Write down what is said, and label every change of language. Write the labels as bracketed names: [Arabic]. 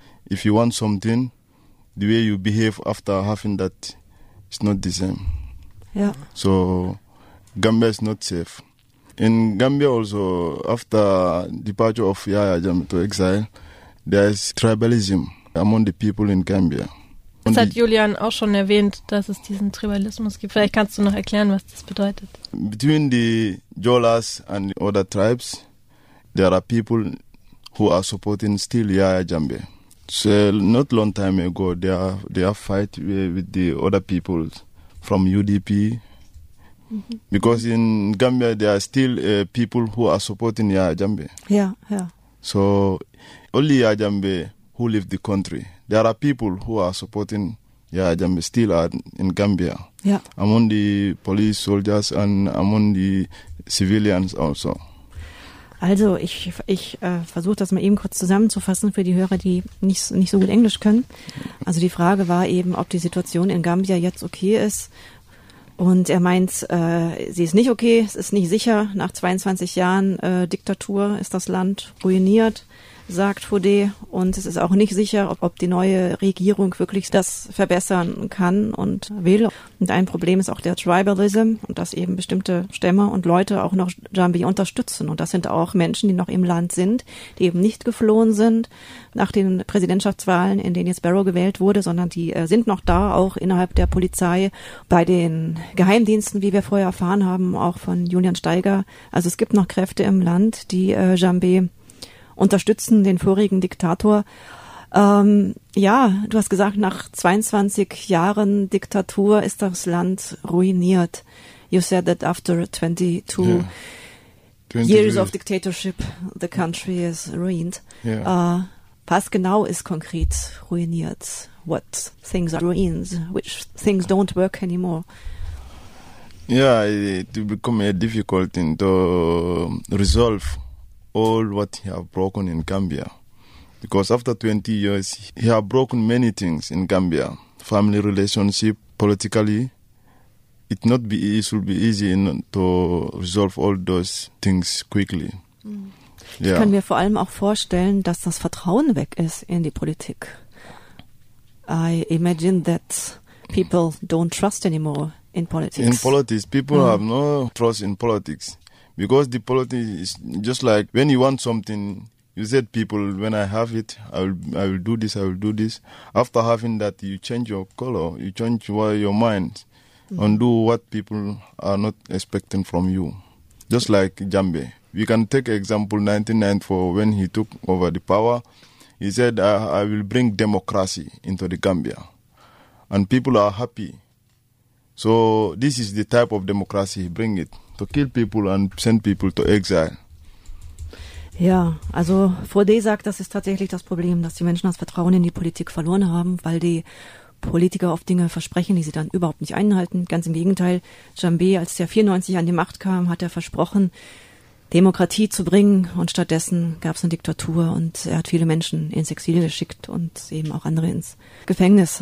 [English] If you want something, the way you behave after having that, it's not the same. Yeah. So Gambia is not safe. In Gambia also, after departure of Yahya Jammeh to exile, there is tribalism among the people in Gambia. [German] Das hat Julian auch schon erwähnt, dass es diesen Tribalismus gibt. Vielleicht kannst du noch erklären, was das bedeutet. [English] Between the Jolas and the other tribes, there are people who are supporting still Yahya Jammeh. So not long time ago, they have fight with the other people from UDP. Mm-hmm. Because in Gambia, there are still people who are supporting Yahya Jammeh. Yeah, yeah. So only Yahya Jammeh who leave the country. There are people who are supporting Yahya Jammeh still in Gambia. Yeah. Among the police soldiers and among the civilians also. [German] Also ich versuche das mal eben kurz zusammenzufassen für die Hörer, die nicht so gut Englisch können. Also die Frage war eben, ob die Situation in Gambia jetzt okay ist. Und er meint, sie ist nicht okay, es ist nicht sicher. Nach 22 Jahren Diktatur ist das Land ruiniert, sagt Fodé. Und es ist auch nicht sicher, ob die neue Regierung wirklich das verbessern kann und will. Und ein Problem ist auch der Tribalism und dass eben bestimmte Stämme und Leute auch noch Jambi unterstützen. Und das sind auch Menschen, die noch im Land sind, die eben nicht geflohen sind nach den Präsidentschaftswahlen, in denen jetzt Barrow gewählt wurde, sondern die sind noch da, auch innerhalb der Polizei, bei den Geheimdiensten, wie wir vorher erfahren haben, auch von Julian Steiger. Also es gibt noch Kräfte im Land, die Jambi unterstützen, den vorigen Diktator. Ja, du hast gesagt, nach 22 Jahren Diktatur ist das Land ruiniert. [English] You said that after 22 years of dictatorship, the country is ruined. Yeah. [German] Was genau ist konkret ruiniert? [English] What things are ruins? Which things don't work anymore? Yeah, it will become a difficult thing to resolve all what he have broken in Gambia. Because after 20 years, he have broken many things in Gambia. Family relationship, politically, it should be easy to resolve all those things quickly. Mm. [German] Yeah. Ich kann mir vor allem auch vorstellen, dass das Vertrauen weg ist in die Politik. [English] I imagine that people don't trust anymore in politics. In politics, people have no trust in politics. Because the politics is just like when you want something, you said, people, when I have it, I will do this, I will do this. After having that, you change your color, you change your mind, and do what people are not expecting from you. Just like Jambi. We can take example 1994 when he took over the power. He said, I will bring democracy into the Gambia. And people are happy. So this is the type of democracy he bring it. to kill people and send people to exile. [German] Ja, also Frode sagt, das ist tatsächlich das Problem, dass die Menschen das Vertrauen in die Politik verloren haben, weil die Politiker oft Dinge versprechen, die sie dann überhaupt nicht einhalten. Ganz im Gegenteil, Jambé, als der 94 an die Macht kam, hat er versprochen, Demokratie zu bringen und stattdessen gab es eine Diktatur und er hat viele Menschen ins Exil geschickt und eben auch andere ins Gefängnis.